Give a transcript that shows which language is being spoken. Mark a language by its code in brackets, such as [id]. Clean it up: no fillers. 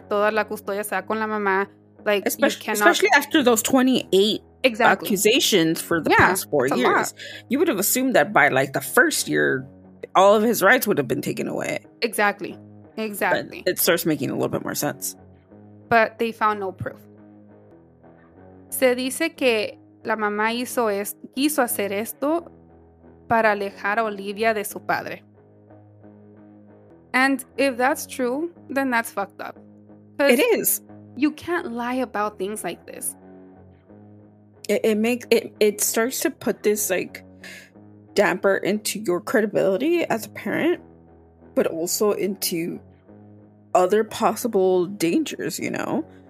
[es] Toda la custodia se da con la mamá. Like, [en] especially after those 28 exactly. accusations for the past 4 years. You would have assumed that by, like, the first year, all of his rights would have been taken away. Exactly, exactly. But it starts making a little bit more sense. But they found no proof. [es] Se dice que la mamá quiso hacer esto para alejar a Olivia de su padre. [en] And if that's true, then that's fucked up. It is. You can't lie about things like this. It starts to put this like damper into your credibility as a parent, but also into other possible dangers, you know?